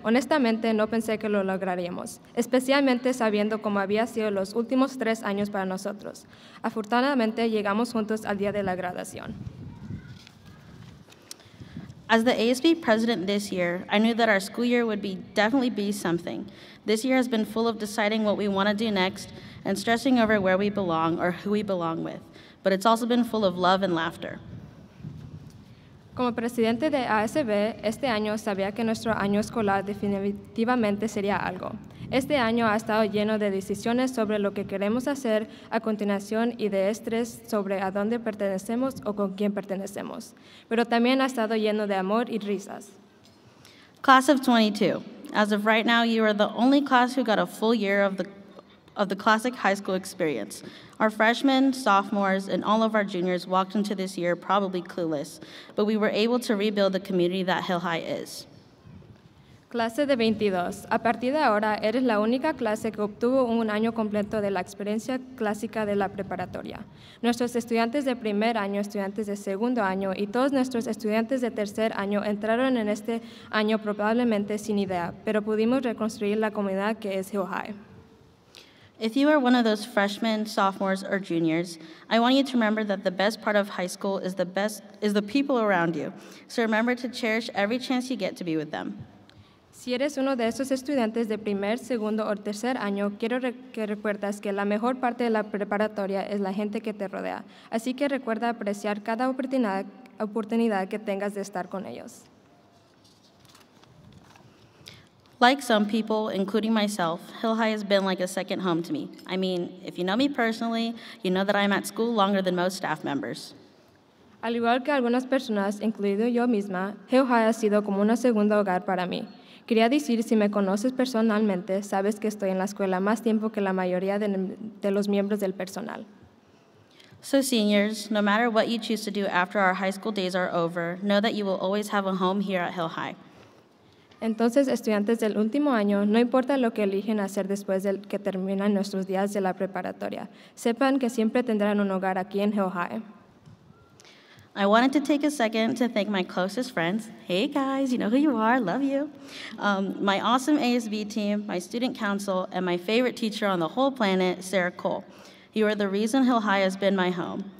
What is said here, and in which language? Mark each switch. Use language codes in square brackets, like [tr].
[es] Honestamente, no pensé que lo lograríamos, especialmente sabiendo cómo había sido los últimos 3 años para nosotros. Afortunadamente, llegamos juntos al día de la graduación. [en] As the ASB president this year, I knew that our school year would definitely be something. This year has been full of deciding what we want to do next and stressing over where we belong or who we belong with. But it's also been full of love and laughter. [es] Como presidente de ASB, este año sabía que nuestro año escolar definitivamente sería algo. Este año ha estado lleno de decisiones sobre lo que queremos hacer a continuación y de estrés sobre a dónde pertenecemos o con quién pertenecemos. Pero también ha estado lleno de amor y risas. [en] Class of 22. As of right now, you are the only class who got a full year of the classic high school experience. Our freshmen, sophomores, and all of our juniors walked into this year probably clueless, but we were able to rebuild the community that Hill High is. [es] Clase de 22. A partir de ahora, eres la única clase que obtuvo un año completo de la experiencia clásica de la preparatoria. Nuestros estudiantes de primer año, estudiantes de segundo año y todos nuestros estudiantes de tercer año entraron en este año probablemente sin idea, pero pudimos reconstruir la comunidad que es Hill High. [en] If you are one of those freshmen, sophomores, or juniors, I want you to remember that the best part of high school is the people around you. So remember to cherish every chance you get to be with them. [es] Si eres uno de esos estudiantes de primer, segundo, o tercer año, quiero que recuerdas que la mejor parte de la preparatoria es la gente que te rodea. Así que recuerda apreciar cada oportunidad que tengas de estar con ellos. [en] Like some people, including myself, Hill High has been like a second home to me. I mean, if you know me personally, you know that I'm at school longer than most staff members. [es] Al igual que algunas personas, incluido yo misma, Hill High ha sido como un segundo hogar para mí. Quería decir, si me conoces personalmente, sabes que estoy en la escuela más tiempo que la mayoría de los miembros del personal. [en] So seniors, no matter what you choose to do after our high school days are over, know that you will always have a home here at Hill High. [es] Entonces, estudiantes del último año, no importa lo que eligen hacer después de que terminan nuestros días de la preparatoria, sepan que siempre tendrán un hogar aquí en Hill High. [en] I wanted to take a second to thank my closest friends. Hey guys, you know who you are, love you. My awesome ASB team, my student council, and my favorite teacher on the whole planet, Sarah Cole. You are the reason Hill High has been my home.